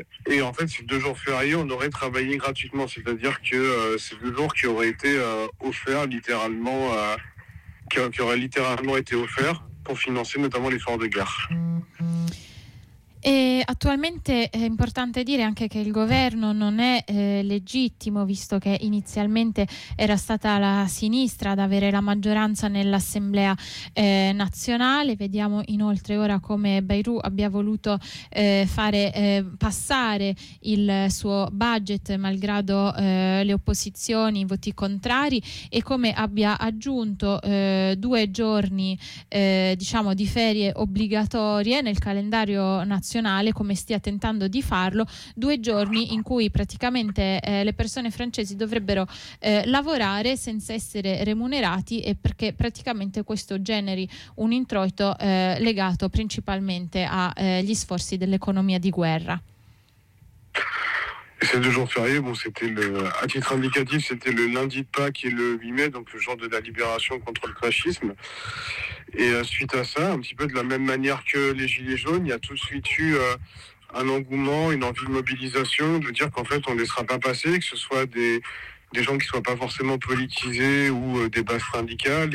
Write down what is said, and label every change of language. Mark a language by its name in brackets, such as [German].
[French] Et en fait, ces 2 jours fériés, on aurait travaillé gratuitement, c'est-à-dire que ces 2 jours qui auraient été offerts littéralement, qui auraient littéralement été offerts pour financer notamment l'effort de guerre. [Italian] E attualmente è importante dire anche che il governo non è legittimo, visto che inizialmente era stata la sinistra ad avere la maggioranza nell'Assemblea nazionale. Vediamo inoltre ora come Bayrou abbia voluto fare passare il suo budget, malgrado le opposizioni, i voti contrari, e come abbia aggiunto 2 giorni di ferie obbligatorie nel calendario nazionale, come stia tentando di farlo, 2 giorni in cui praticamente le persone francesi dovrebbero lavorare senza essere remunerati, e perché praticamente questo generi un introito legato principalmente agli sforzi dell'economia di guerra. [French] Ces 2 jours fériés, bon, à titre indicatif, c'était le lundi de Pâques et le 8 mai, donc le jour de la libération contre le fascisme. Et suite à ça, un petit peu de la même manière que les Gilets jaunes, il y a tout de suite eu un engouement, une envie de mobilisation, de dire qu'en fait, on ne laissera pas passer, que ce soit des gens qui ne soient pas forcément politisés ou des bases syndicales.